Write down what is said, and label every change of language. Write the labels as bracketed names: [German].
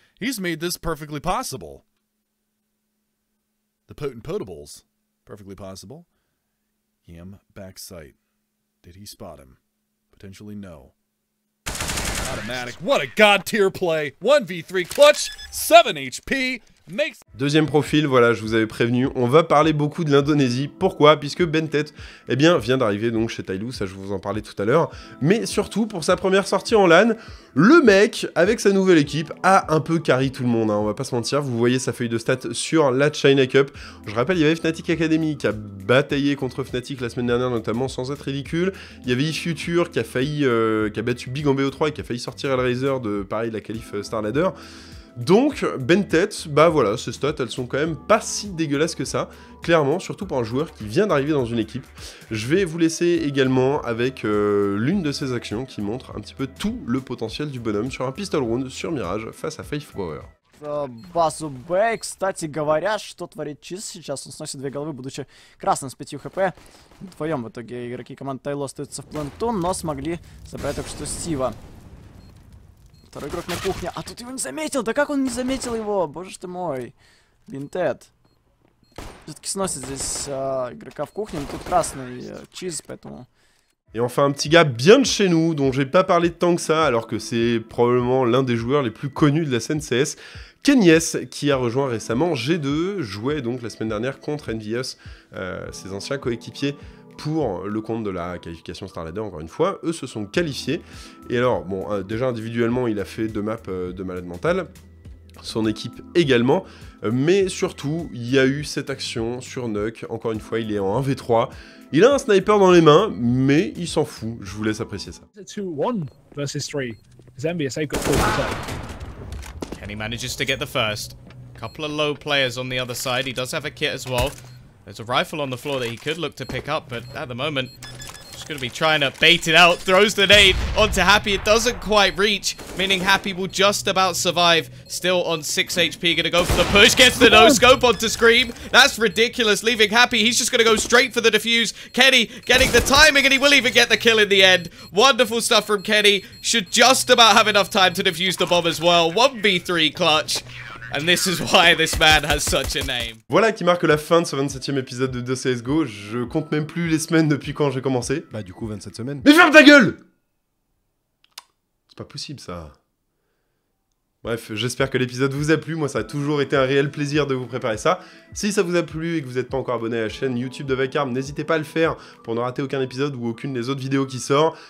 [English] He's made this perfectly possible. The potent potables. Perfectly possible. Yam backsight. Did he spot him? Potentially no. Automatic, what a god tier play. 1v3 clutch, 7 HP. [French] Deuxième profil, voilà, je vous avais prévenu, on va parler beaucoup de l'Indonésie. Pourquoi ? Puisque Bentet, eh bien, vient d'arriver donc chez Tailou, ça je vous en parlais tout à l'heure. Mais surtout, pour sa première sortie en LAN, le mec, avec sa nouvelle équipe, a un peu carry tout le monde, hein, on va pas se mentir. Vous voyez sa feuille de stats sur la China Cup. Je rappelle, il y avait Fnatic Academy qui a bataillé contre Fnatic la semaine dernière, notamment sans être ridicule. Il y avait eFuture qui a failli, qui a battu Big en BO3 et qui a failli sortir Hellraiser de, pareil, de la qualif Star Ladder. Donc, Bentet, bah voilà, ces stats, elles sont quand même pas si dégueulasses que ça, clairement, surtout pour un joueur qui vient d'arriver dans une équipe. Je vais vous laisser également avec l'une de ses actions qui montre un petit peu tout le potentiel du bonhomme sur un pistol round sur Mirage face à Faith Power. [Russian] Базу Б, кстати говоря, что творит Чиз сейчас? Он сносит две головы, будучи красным с 5 хп. Вдвоем в итоге игроки команды Тайло остаются в пленту, но смогли забрать только что Стива. Второй игрок на кухне. А тут его не заметил. Да как он не заметил его? Боже ты мой. Бинтед. Все-таки сносит здесь игрока в кухне. Но тут красный чиз, поэтому... [French] Et enfin, un petit gars bien de chez nous, dont j'ai pas parlé tant que ça, alors que c'est probablement l'un des joueurs les plus connus de la scène CS, Kenyes, qui a rejoint récemment G2, jouait donc la semaine dernière contre Envious, ses anciens coéquipiers, pour le compte de la qualification Star Ladder, encore une fois. Eux se sont qualifiés. Et alors, bon, déjà individuellement, il a fait deux maps de malade mental. son équipe également. Mais surtout, il y a eu cette action sur Nuk. Encore une fois, il est en 1v3. Il a un sniper dans les mains, mais il s'en fout. Je vous laisse apprécier ça. [English] 2-1 versus 3. Zambia safe got 4%. Kenny manages to get the first. Couple of low players on the other side. He does have a kit as well. There's a rifle on the floor that he could look to pick up, but at the moment, just going to be trying to bait it out. Throws the nade onto Happy. It doesn't quite reach, meaning Happy will just about survive. Still on 6 HP. Going to go for the push. Gets the no scope onto Scream. That's ridiculous. Leaving Happy. He's just going to go straight for the defuse. Kenny getting the timing, and he will even get the kill in the end. Wonderful stuff from Kenny. Should just about have enough time to defuse the bomb as well. 1v3 clutch. And this is why this man has such a name. [French] Voilà qui marque la fin de ce 27e épisode de CSGO. Je compte même plus les semaines depuis quand j'ai commencé. Bah du coup 27 semaines. Mais ferme ta gueule ! C'est pas possible ça. Bref, j'espère que l'épisode vous a plu. Moi ça a toujours été un réel plaisir de vous préparer ça. Si ça vous a plu et que vous n'êtes pas encore abonné à la chaîne YouTube de Vacarme, n'hésitez pas à le faire pour ne rater aucun épisode ou aucune des autres vidéos qui sort.